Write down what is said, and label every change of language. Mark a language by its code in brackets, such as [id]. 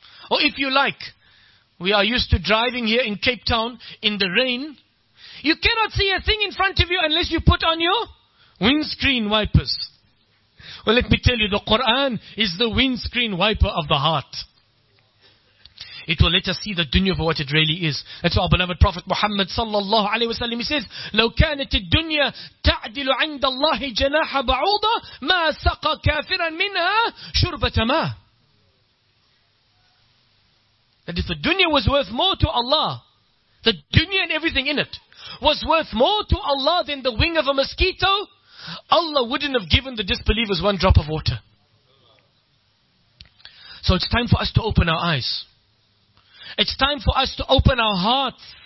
[en] Or if you like, we are used to driving here in Cape Town in the rain. You cannot see a thing in front of you unless you put on your windscreen wipers. Well, let me tell you, the Quran is the windscreen wiper of the heart. It will let us see the dunya for what it really is. That's why our beloved Prophet Muhammad sallallahu alaihi wasallam, he says, [ar] لو كانت الدنيا تعدل عند الله جناح بعوضة ما سقى كافرا منها شربة ماء. [en] That if the dunya was worth more to Allah, the dunya and everything in it was worth more to Allah than the wing of a mosquito, Allah wouldn't have given the disbelievers one drop of water. So it's time for us to open our eyes. It's time for us to open our hearts.